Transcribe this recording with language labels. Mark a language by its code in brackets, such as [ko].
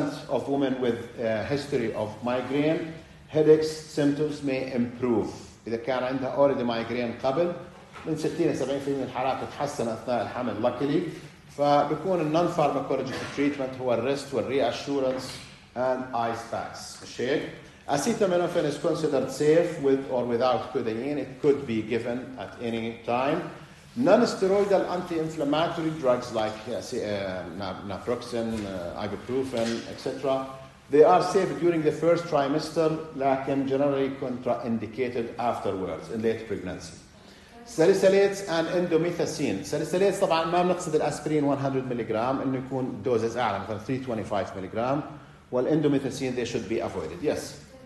[en] of women with a history of migraine headaches symptoms may improve [ar] إذا كان عندها [en] already migraine [ar] قبل من 60-70% من الحالات تتحسن أثناء الحمل [en] luckily فبكون النون pharmacologic treatment هو الريست والريأشورنس and ice packs. Shake. Acetaminophen is considered safe with or without codeine. It could be given at any time. Non-steroidal anti-inflammatory drugs like naproxen, ibuprofen, etc. They are safe during the first trimester, lakin generally contraindicated afterwards in late pregnancy. Salicylates and endomethacin. [ar] Salicylates, طبعا ما بنقصد الأسبرين 100 milligram. إنه يكون doses أعلى مثلا 325 milligram. [en] Well, endomethacin, they should be avoided. Yes.